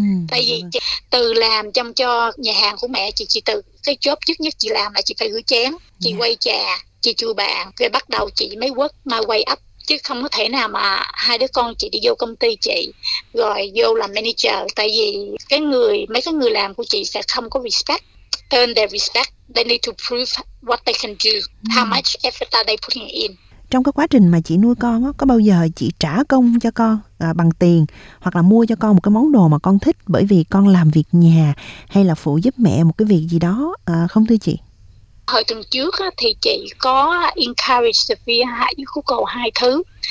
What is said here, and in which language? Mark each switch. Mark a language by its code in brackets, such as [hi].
[vi] Tại vì chị từ làm trong cho nhà hàng của mẹ chị từ cái job trước nhất chị làm là chị phải rửa chén, chị quay trà, chị chùa bàn, rồi bắt đầu chị mới [en] work my way up. [vi] Chứ không có thể nào mà hai đứa con chị đi vô công ty chị rồi vô làm manager. Tại vì cái người, mấy cái người làm của chị sẽ không có respect. [en] Earn their respect, they need to prove what they can do, how much effort are they putting in. [vi] Trong cái quá trình mà chị nuôi con á, có bao giờ chị trả công cho con bằng tiền hoặc là mua cho con một cái món đồ mà con thích bởi vì con làm việc nhà hay là phụ giúp mẹ một cái việc gì đó không thưa chị? Hồi tuần trước á, thì chị có encourage Sophia với cô cầu hai thứ.